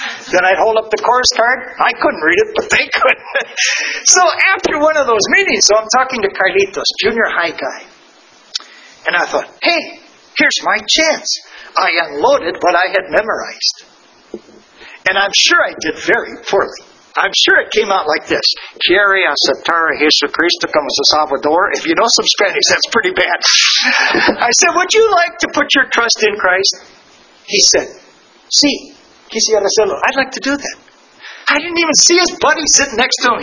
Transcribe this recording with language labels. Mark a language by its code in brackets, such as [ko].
[en] Then I'd hold up the chorus card. I couldn't read it, but they could. So after one of those meetings, so I'm talking to Carlitos, junior high guy. And I thought, hey, here's my chance. I unloaded what I had memorized. And I'm sure I did very poorly. I'm sure it came out like this. [es] Quiere aceptar a Jesucristo como su Salvador. [en] If you know some Spanish, that's pretty bad. I said, would you like to put your trust in Christ? He said, [es] sí, quisiera hacerlo. [en] I'd like to do that. I didn't even see his buddy sitting next to him.